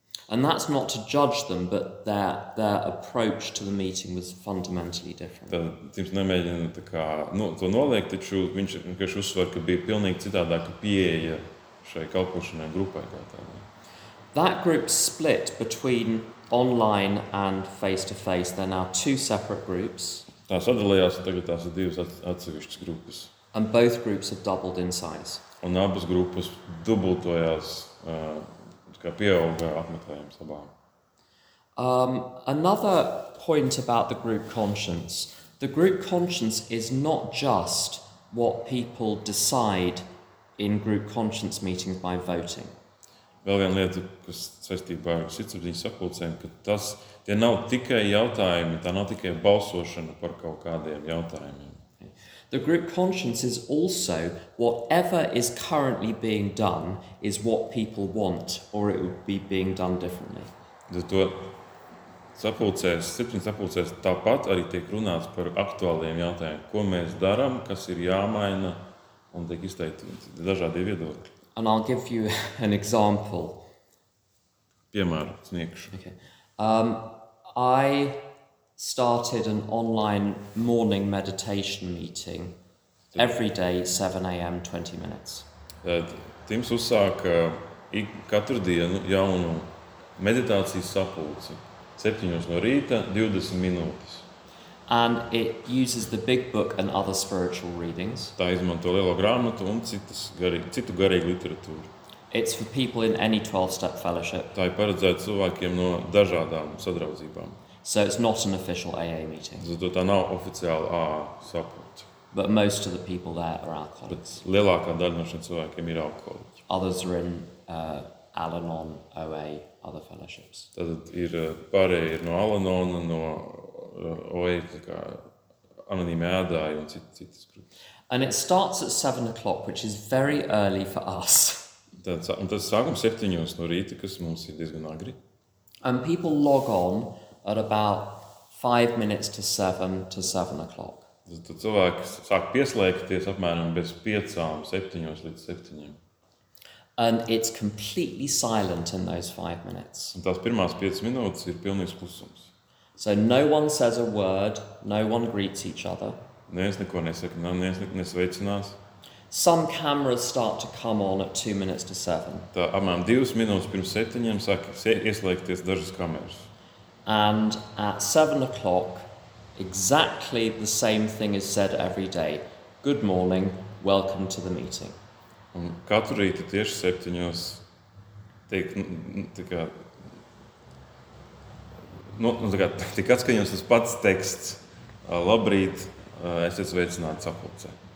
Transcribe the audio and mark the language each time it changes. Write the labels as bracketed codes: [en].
[en] And that's not to judge them, but their approach to the meeting was fundamentally different. [lv] Tiems nemēģina tā kā to noliekt, taču viņš vienkārši uzsver, ka bija pilnīgi citādāka pieeja šai kalpošanai grupai. [en] That group split between online and face-to-face. There are now two separate groups. [lv] Tā sadalījās, tagad tās ir divas atsevišķas grupas. [en] And both groups have doubled in size. [lv] Un abas grupas dubultojās, kā pieauga apmeklējums abām. [en] Another point about the group conscience. The group conscience is not just what people decide in group conscience meetings by voting. [lv] Vēl viena lieta, kas saistībā ar sirdsapziņas sapulcēm, ka tas, tie nav tikai jautājumi, tā nav tikai balsošana par kaut kādiem jautājumiem. [en] The group conscience is also whatever is currently being done is what people want or it would be being done differently. [lv] Sapulcēs tāpat arī tiek runāts par aktuāliem jautājumiem, ko mēs darām, kas ir jāmaina un tiek izteikti dažādi viedokļi. [en] And I'll give you an example. [lv] Piemēru sniegšu. [en] Okay. I started an online morning meditation meeting every day 7 a.m. 20 minutes. [lv] Tims uzsāka katru dienu jaunu meditācijas sapulci 7:00 no rīta 20 minūtes. [en] And it uses the big book and other spiritual readings. [lv] Tā izmanto lielo grāmatu un citu garīgu literatūru. [en] It's for people in any 12-step fellowship. [lv] Tā ir paredzēta cilvēkiem no dažādām sadraudzībām. [en] So it's not an official AA meeting. [lv] Zato tā nav oficiāla AA sapulce. [en] But most of the people there are alcoholics. [lv] Bet lielākā daļa no šiem cilvēkiem ir alkoholiķi. [en] Others are in Al-Anon, OA, other fellowships. [lv] Tad ir pārējie ir no Al-Anon, no OA, tā kā anonīmi ēdāji un citas grupas. [en] And it starts at 7:00, which is very early for us. [lv] Un tad sākam 7:00 no rīta, kas mums ir diezgan agri. [en] And people log on at about 5 minutes to 7 to 7:00. [lv] Tad cilvēki sāk pieslēgties apmēram bez 5:00, 7:00 līdz 7:00. [en] And it's completely silent in those 5 minutes. [lv] Un tās pirmās 5 minūtes ir pilnīgs klusums. [en] So no one says a word, no one greets each other. [lv] Neviens neko nesaka, neviens nesveicinās. [en] Some cameras start to come on at 2:02. [lv] Tā apmēram 2 minūtes pirms 7:00 sāk ieslēgties dažas kameras. [en] And at 7:00, exactly the same thing is said every day. Good morning, welcome to the meeting. [lv] Un katru rītu tieši 7:00 tiek tiek atskaņos tas pats teksts. Labrīt, es esmu sveicināts sapulcē.